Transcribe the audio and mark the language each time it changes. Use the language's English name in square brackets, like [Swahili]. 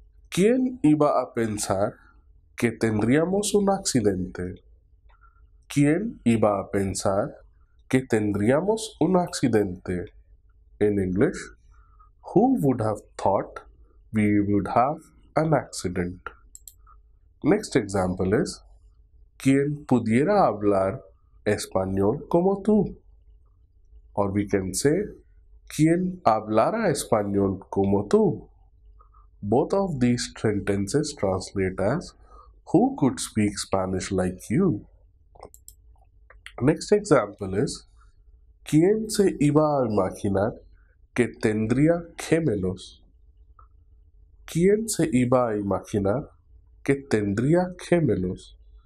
[Spanish] ¿Quién iba a pensar que tendríamos un accidente? ¿Quién iba a pensar que tendríamos un accidente? [English] In English, who would have thought we would have an accident? Next example is, [Spanish] ¿quién pudiera hablar español como tú? [English] Or we can say, [Spanish] ¿quién hablara español como tú? [English] Both of these sentences translate as, who could speak Spanish like you? Next example is, [Spanish] ¿quién se iba a imaginar que tendría gemelos? ¿Quién se iba a imaginar que tendría gemelos?